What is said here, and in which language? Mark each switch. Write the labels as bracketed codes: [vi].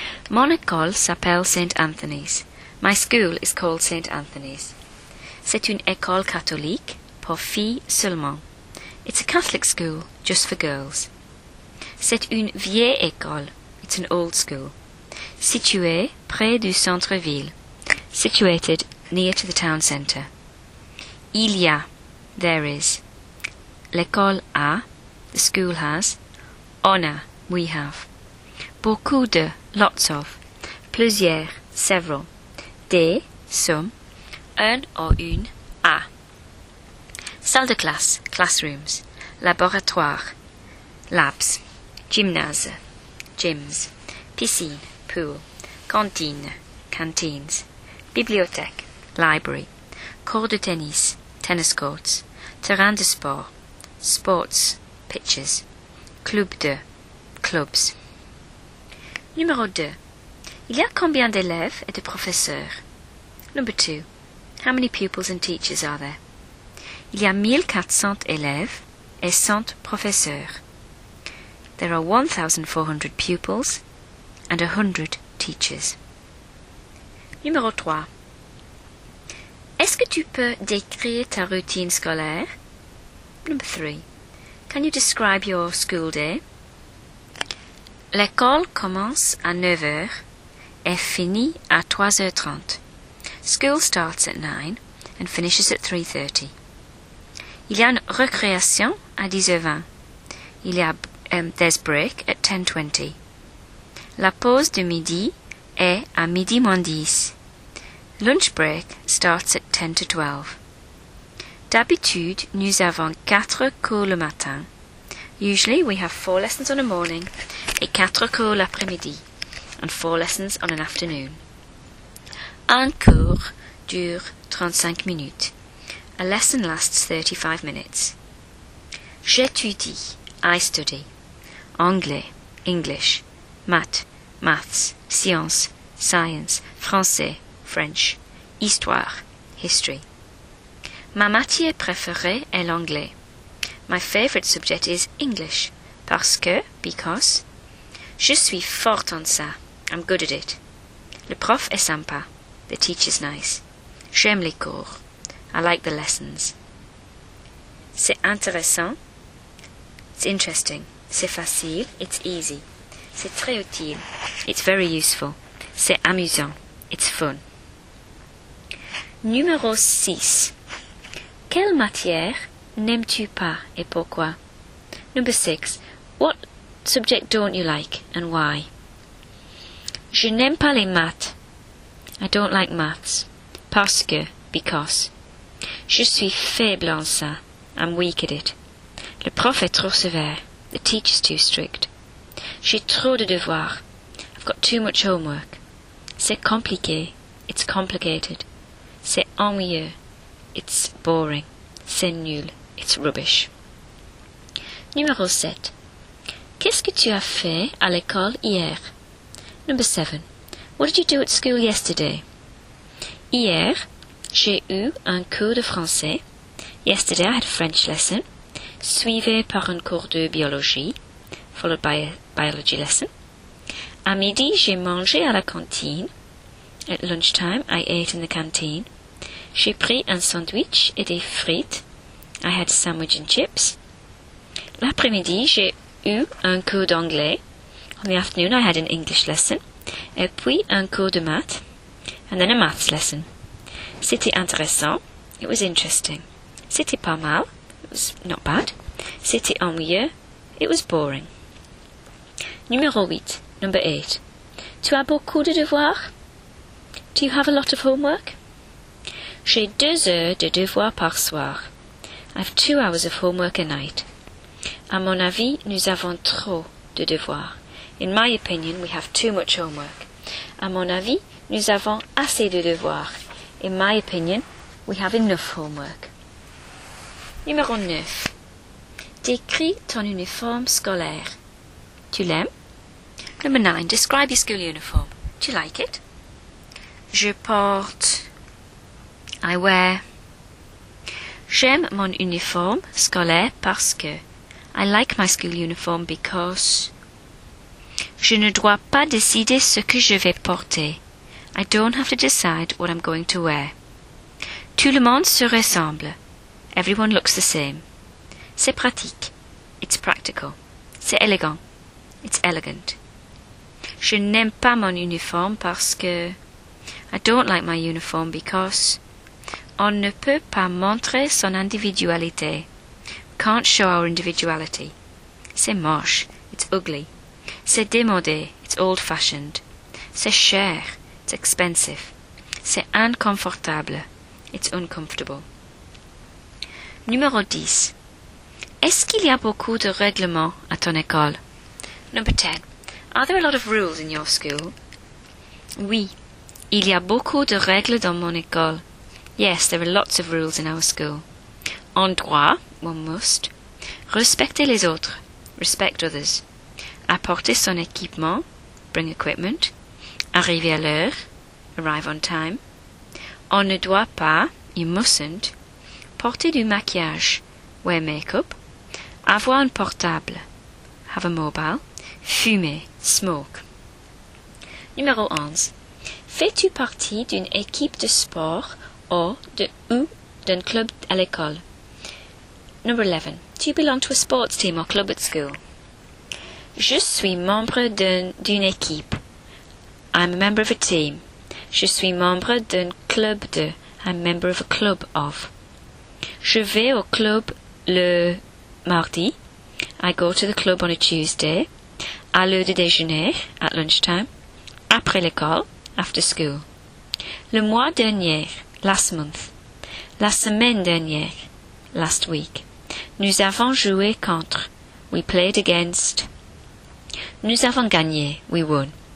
[fr] Mon école s'appelle Saint Anthony's. [en] My school is called Saint Anthony's. [fr] C'est une école catholique pour filles seulement. [en] It's a Catholic school just for girls. [fr] C'est une vieille école. [en] It's an old school. [fr] Située près du centre-ville. [en] Situated near to the town centre. [fr] Il y a. [en] There is. [fr] L'école a. [en] The school has. [fr] On a. [en] We have. [fr] Beaucoup de. [en] Lots of. [fr] Plusieurs. Several. Des. Some. Un or une. A. Salle de classe. Classrooms. Laboratoire. Labs. Gymnase. Gyms. Piscine. Pool. Cantine. Canteens. Bibliothèque. Library. Cours de tennis. [en] Tennis courts. [fr] Terrain de sport. Sports. Pitches. Club de. Clubs. Numéro 2. Il y a combien d'élèves et de professeurs? [en] Number 2. How many pupils and teachers are there? [fr] Il y a 1400 élèves et 100 professeurs. [en] There are 1400 pupils and 100 teachers. [fr] Numéro 3. Est-ce que tu peux décrire ta routine scolaire? [en] Number 3. Can you describe your school day? [fr] L'école commence à 9h et finit à 3h30. [en] School starts at 9 and finishes at 3:30. [fr] Il y a une récréation à 10h20. Il y a [en] there's break at 10:20. [fr] La pause de midi est à midi moins 10. [en] Lunch break starts at 10 to 12. [fr] D'habitude, nous avons 4 cours le matin. [en] Usually, we have 4 lessons on a morning [fr] et 4 cours l'après-midi [en] and 4 lessons on an afternoon. [fr] Un cours dure 35 minutes. [en] A lesson lasts 35 minutes. [fr] J'étudie, [en] I study. [fr] Anglais, English. Maths, maths. Sciences, science. Français, French. Histoire, history. Ma matière préférée est l'anglais. [en] My favorite subject is English. [fr] Parce que, because. Je suis forte en ça. [en] I'm good at it. [fr] Le prof est sympa. [en] The teacher's nice. [fr] J'aime les cours. [en] I like the lessons. [fr] C'est intéressant. [en] It's interesting. [fr] C'est facile. [en] It's easy. [fr] C'est très utile. [en] It's very useful. [fr] C'est amusant. [en] It's fun. [fr] Numéro 6. Quelle matière n'aimes-tu pas et pourquoi? [en] Number 6. What subject don't you like and why? [fr] Je n'aime pas les maths. [en] I don't like maths. [fr] Parce que, because. Je suis faible en ça. [en] I'm weak at it. [fr] Le prof est trop sévère. [en] The teacher's too strict. [fr] J'ai trop de devoirs. [en] I've got too much homework. [fr] C'est compliqué. [en] It's complicated. [fr] C'est ennuyeux. [en] It's boring. [fr] C'est nul. [en] It's rubbish. [fr] Numéro 7. Qu'est-ce que tu as fait à l'école hier? [en] Number 7. What did you do at school yesterday? [fr] Hier, j'ai eu un cours de français. [en] Yesterday, I had a French lesson. [fr] Suivi par un cours de biologie. [en] Followed by a biology lesson. [fr] À midi, j'ai mangé à la cantine. [en] At lunchtime, I ate in the canteen. [fr] J'ai pris un sandwich et des frites. [en] I had a sandwich and chips. [fr] L'après-midi, j'ai eu un cours d'anglais. [en] On the afternoon, I had an English lesson. [fr] Et puis, un cours de maths. [en] And then a maths lesson. [fr] C'était intéressant. [en] It was interesting. [fr] C'était pas mal. [en] It was not bad. [fr] C'était ennuyeux. [en] It was boring. [fr] Numéro 8. [en] Number 8. [fr] Tu as beaucoup de devoirs? [en] Do you have a lot of homework? [fr] J'ai 2 heures de devoirs par soir. [en] I have 2 hours of homework a night. [fr] À mon avis, nous avons trop de devoirs. [en] In my opinion, we have too much homework. [fr] À mon avis, nous avons assez de devoirs. [en] In my opinion, we have enough homework. [fr] Numéro 9. Décris ton uniforme scolaire. Tu l'aimes? [en] Number 9. Describe your school uniform. Do you like it? [fr] Je porte. [en] I wear. [fr] J'aime mon uniforme scolaire parce que. [en] I like my school uniform because. [fr] Je ne dois pas décider ce que je vais porter. [en] I don't have to decide what I'm going to wear. [fr] Tout le monde se ressemble. [en] Everyone looks the same. [fr] C'est pratique. [en] It's practical. [fr] C'est élégant. [en] It's elegant. [fr] Je n'aime pas mon uniforme parce que. [en] I don't like my uniform because. [fr] On ne peut pas montrer son individualité. [en] Can't show our individuality. [fr] C'est moche. It's ugly. C'est démodé. [en] It's old-fashioned. [fr] C'est cher. [en] It's expensive. [fr] C'est inconfortable. [en] It's uncomfortable. [fr] Numéro 10. Est-ce qu'il y a beaucoup de règlements à ton école? [en] Number 10. Are there a lot of rules in your school? [fr] Oui. Il y a beaucoup de règles dans mon école. [en] Yes, there are lots of rules in our school. [fr] On doit, one must, respecter les autres, [en] respect others. [fr] Apporter son équipement, [en] bring equipment. [fr] Arriver à l'heure, [en] arrive on time. [fr] On ne doit pas, you mustn't, porter du maquillage, [en] wear makeup. [fr] Avoir un portable, [en] have a mobile. [fr] Fumer, smoke. Numéro 11. Fais-tu partie d'une équipe de sport ou d'un club à l'école? [en] Number 11. Do you belong to a sports team or club at school? [fr] Je suis membre d'une équipe. [en] I'm a member of a team. [fr] Je suis membre d'un club de. [en] I'm a member of a club of. [fr] Je vais au club le mardi. [en] I go to the club on a Tuesday. [fr] À l'heure de déjeuner, [en] at lunchtime. [fr] Après l'école, [en] after school. [fr] Le mois dernier, [en] last month. [fr] La semaine dernière, [en] last week. [fr] Nous avons joué contre. [en] We played against. [fr] Nous avons gagné. [en] We won.